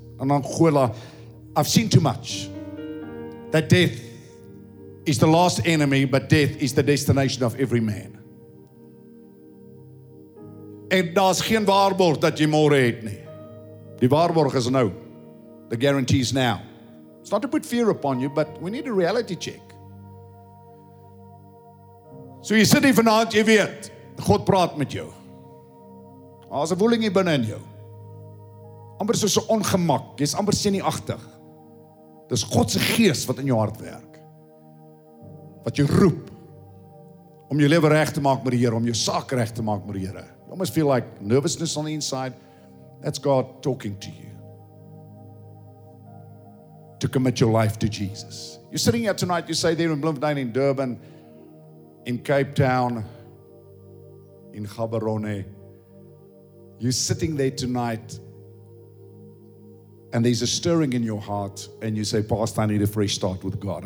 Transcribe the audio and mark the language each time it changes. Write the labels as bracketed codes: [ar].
[en] In Angola, I've seen too much. That death is the last enemy, but death is the destination of every man. [af] En daar's geen waarborg dat jy môre het nie. Die waarborg is nou. [en] The guarantee is now. It's not to put fear upon you, but we need a reality check. [af] So jy sit hier vanavond, jy weet, God praat met jou. Daar is 'n woeling hier binne in jou. Amper soos 'n ongemak. Jy is amper senuagtig. Dis God se gees wat in jou hart werk. Wat jou roep. Om jou lewe reg te maak met die Here. Om jou saak reg te maak met die Here. [en] You almost feel like nervousness on the inside. That's God talking to you. To commit your life to Jesus. You're sitting here tonight. You say there in Bloemfontein, in Durban, in Cape Town, in Gaborone, you're sitting there tonight and there's a stirring in your heart and you say, Pastor, I need a fresh start with God.